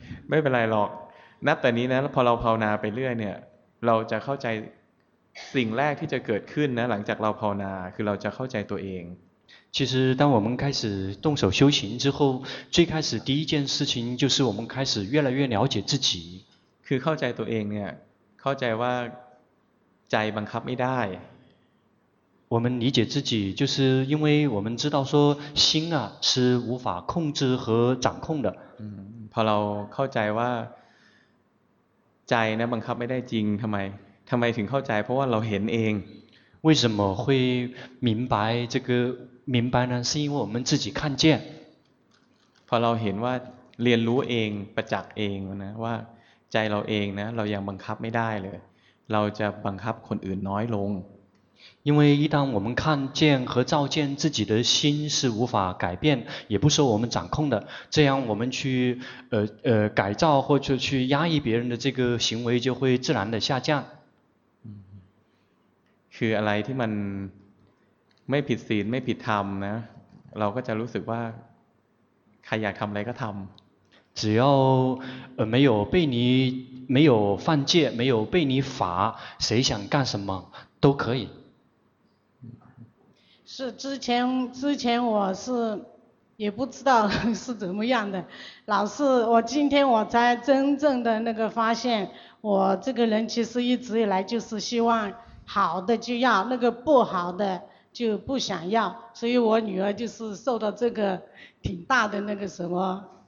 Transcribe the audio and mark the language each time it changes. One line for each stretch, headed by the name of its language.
Thai: ไม่เป็นไรหรอกนับแต่นี้นะพอเราภาวนาไปเรื่อยเนี่ยเราจะเข้าใจสิ่งแรกที่จะเกิดขึ้นนะหลังจากเราภาวนาคือเราจะเข้าใจตัวเอง
Chinese: 其实当我们开始动手修行之后最开始第一件事情就是我们开始越来越了解自己
Thai: คือเข้าใจตัวเองเนี่ยเข้าใจว่าใจบังคับไม่ได้
Chinese: 我们理解自己就是因为我们知道说心啊是无法控制和掌控的
Thai: พอเราเข้าใจว่าใจนะบังคับไม่ได้จริงทำไมถึงเข้าใจเพราะว่าเราเห็นเอง
Chinese: 为什么会明白这个明白呢是因为我们自己看见
Thai: พอเราเห็นว่าเรียนรู้เองประจักษ์เองนะว่าใจเราเองนะเรายังบังคับไม่ได้เลยเราจะบังคับคนอื่นน้อยลง
Chinese: 因为一旦我们看见和照见自己的心是无法改变也不受我们掌控的这样我们去改造或者去压抑别人的这个行为就会自然的下降
Thai: คืออะไรที่มันไม่ผิดศีลไม่ผิดธรรมนะเราก็จะรู้สึกว่าใครอยากทำอะไรก็ทำ
Chinese: 只要没有被你没有犯戒没有被你罚谁想干什么都可以是之前我是也不知道是怎么样的老是我今天我才真正的那个发现我这个人其实一直以来就是希望好的就要那个不好的就不想要所以我女儿就是受到这个挺大的那个什么